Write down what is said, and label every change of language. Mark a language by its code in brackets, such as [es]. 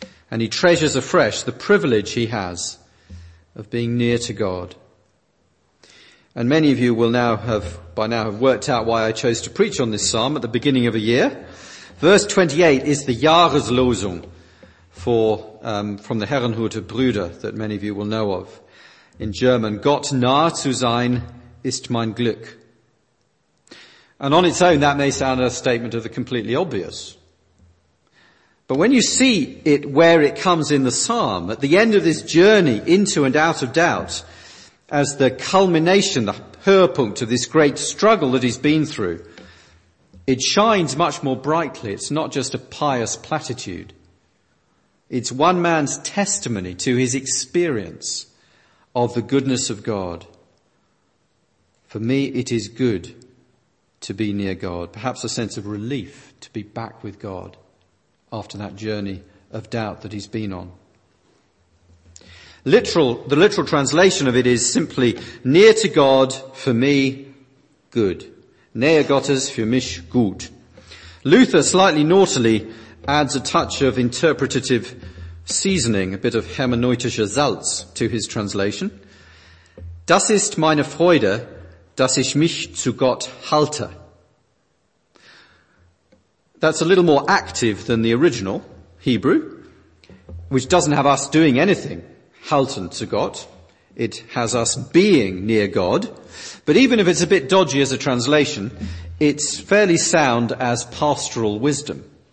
[en] And he treasures afresh the privilege he has of being near to God. And many of you will now have, by now have worked out why I chose to preach on this psalm at the beginning of a year. Verse 28 is the Jahreslosung from the Herrenhuter Brüder that many of you will know of in German. [de] Gott nah zu sein ist mein Glück. [en] And on its own, that may sound a statement of the completely obvious. But when you see it where it comes in the psalm, at the end of this journey into and out of doubt, as the culmination, the Höhepunkt of this great struggle that he's been through, it shines much more brightly. It's not just a pious platitude. It's one man's testimony to his experience of the goodness of God. For me, it is good to be near God. Perhaps a sense of relief to be back with God after that journey of doubt that he's been on. The literal translation of it is simply, near to God, for me, good. [de] Näher Gottes, für mich, gut. [en] Luther, slightly naughtily, adds a touch of interpretative seasoning, a bit of [de] hermeneutischer Salz [en] to his translation. [de] Das ist meine Freude, dass ich mich zu Gott halte. [en] That's a little more active than the original Hebrew, which doesn't have us doing anything. [de] Halten zu Gott. [en] It has us being near God. But even if it's a bit dodgy as a translation, it's fairly sound as pastoral wisdom.